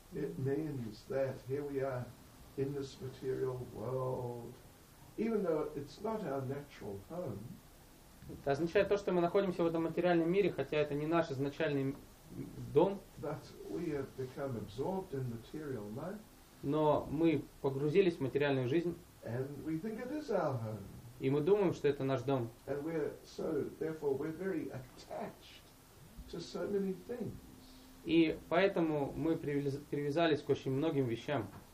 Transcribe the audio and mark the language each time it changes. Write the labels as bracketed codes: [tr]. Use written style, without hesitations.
[en] It means that here we are in this material world, even though it's not our natural home. [ru] Это означает то, что мы находимся в этом материальном мире, хотя это не наш изначальный дом. [en] But we have become absorbed in material life. [ru] Но мы погрузились в материальную жизнь. [en] And we think it is our home. [ru] И мы думаем, что это наш дом. [en] And we're so, therefore, we're very attached to so many things. [ru] И поэтому мы привязались к очень многим вещам.